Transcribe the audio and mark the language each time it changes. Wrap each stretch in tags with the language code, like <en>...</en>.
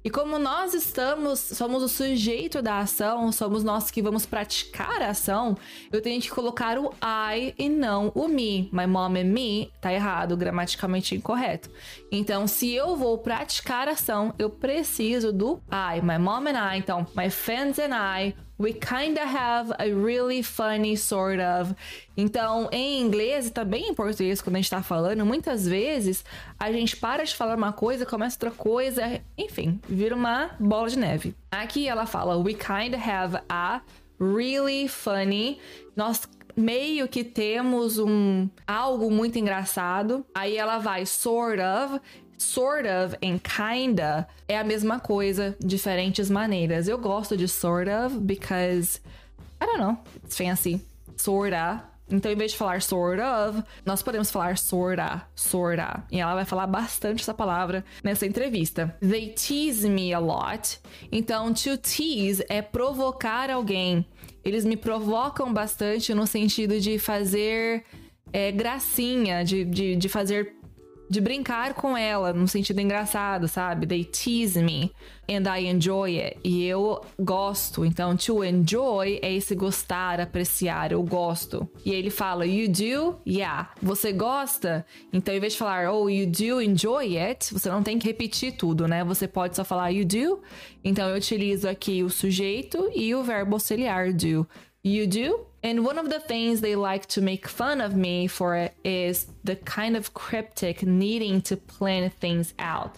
<pt>E como nós somos o sujeito da ação, somos nós que vamos praticar a ação, eu tenho que colocar o I e não o me.</pt> <en>My mom and me,</en> <pt>tá errado, gramaticalmente incorreto. Então, se eu vou praticar a ação, eu preciso do I.</pt> <en>My mom and I, então, my fans and I. We kinda have a really funny sort of.</en> <pt>Então, em inglês e também em português, quando a gente tá falando, muitas vezes a gente para de falar uma coisa, começa outra coisa, enfim, vira uma bola de neve. Aqui ela fala,</pt> <en>we kinda have a really funny.</en> <pt>Nós meio que temos um algo muito engraçado. Aí ela vai, sort of. Sort of and kinda é a mesma coisa, diferentes maneiras. Eu gosto de</pt> <en>sort of because, I don't know, it's fancy. Sorta.</en> <pt>Então, em vez de falar sort of, nós podemos falar sorta, sorta. E ela vai falar bastante essa palavra nessa entrevista.</pt> <en>They tease me a lot.</en> <pt>Então, to tease é provocar alguém. Eles me provocam bastante no sentido de fazer gracinha, de fazer... De brincar com ela, no sentido engraçado, sabe?</pt> <en>They tease me and I enjoy it.</en> <pt>E eu gosto. Então, to enjoy é esse gostar, apreciar, eu gosto. E ele fala,</pt> <en>you do? Yeah.</en> <pt>Você gosta? Então, em vez de falar,</pt> <en>oh, you do enjoy it,</en> <pt>você não tem que repetir tudo, né? Você pode só falar,</pt> <en>you do?</en> <pt>Então, eu utilizo aqui o sujeito e o verbo auxiliar, do.</pt> <en>You do? And one of the things they like to make fun of me for is the kind of cryptic needing to plan things out.</en>